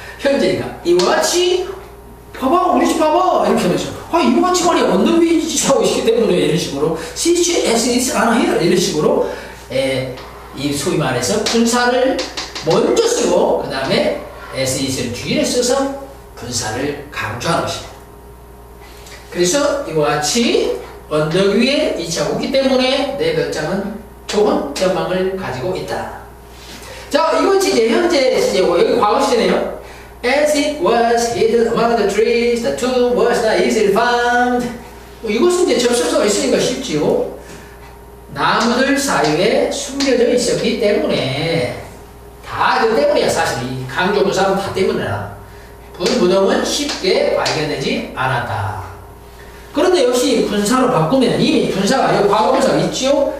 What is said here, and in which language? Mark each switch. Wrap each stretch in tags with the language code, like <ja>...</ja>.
<ko>현재니까 이와 같이 봐봐, 우리 집 봐봐 이렇게 하면서, 아, 이거 같이 말이야, 언덕 위에 위치하고 있기 때문에 이런 식으로</ko> <en>situation is on here</en> <ko>이런 식으로, 에, 이 소위 말해서 분사를 먼저 쓰고 그 다음에 as is를 뒤에 써서 분사를 강조하는 것입니다. 그래서 이와 같이 언덕 위에 위치하고 있기 때문에 내 별장은 좋은 전망을 가지고 있다. 자, 이것이 이제 현재 시제고 여기 과거 시제네요.</ko> <en>As it was hidden among the trees, the tomb was not easily found.</en> <ko>이것은 이제 접속사가 있으니까 쉽지요. 나무들 사이에 숨겨져 있었기 때문에, 다 그 때문이야. 사실 이 강조 부사는 다 때문이야. 분부동은 쉽게 발견되지 않았다. 그런데 역시 분사로 바꾸면 이미 분사가 여기 과거 분사가 있지요.</ko>